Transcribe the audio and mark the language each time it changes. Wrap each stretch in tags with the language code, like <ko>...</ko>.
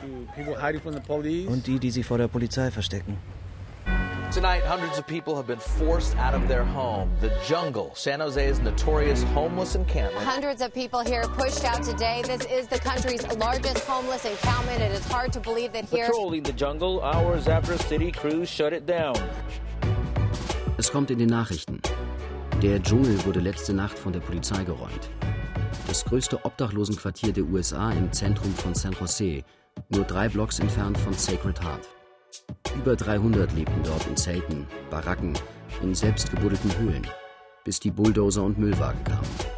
<de>Und die, die sie vor der Polizei verstecken.</de> <en>Tonight, hundreds of people have been forced out of their home. The jungle, San Jose's notorious homeless encampment. Hundreds of people here pushed out today. This is the country's largest homeless encampment. It is hard to believe that here... Patrolling the jungle hours after city crews shut it down.</en> <de>Es kommt in den Nachrichten. Der Dschungel wurde letzte Nacht von der Polizei geräumt. Das größte Obdachlosenquartier der USA im Zentrum von San Jose, nur 3 Blocks entfernt von Sacred Heart. Über 300 lebten dort in Zelten, Baracken, in selbstgebuddelten Höhlen, bis die Bulldozer und Müllwagen kamen.</de>